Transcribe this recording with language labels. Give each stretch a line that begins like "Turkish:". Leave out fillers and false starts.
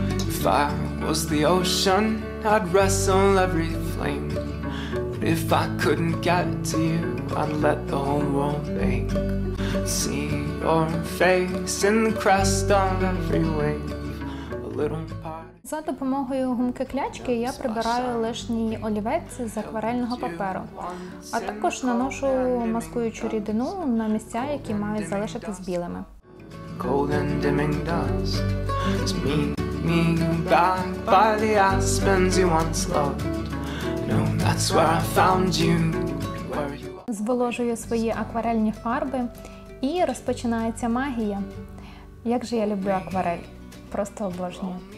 English: If I was the ocean, I'd wrestle every flame. But if I couldn't get to you, I'd let the whole world ache. See your face in the crest of every wave. A little part.
Ukrainian: За допомогою гумки-клячки я прибираю лишній олівець з акварельного паперу, а також наношу маскуючу рідину на місця, які мають залишитись білими.
English: Cold and dimming dust. Me back by the aspens you once loved. No, that's where I found you.
Ukrainian: Зволожую свої акварельні фарби і розпочинається магія. Як же я люблю акварель. Просто обожнюю.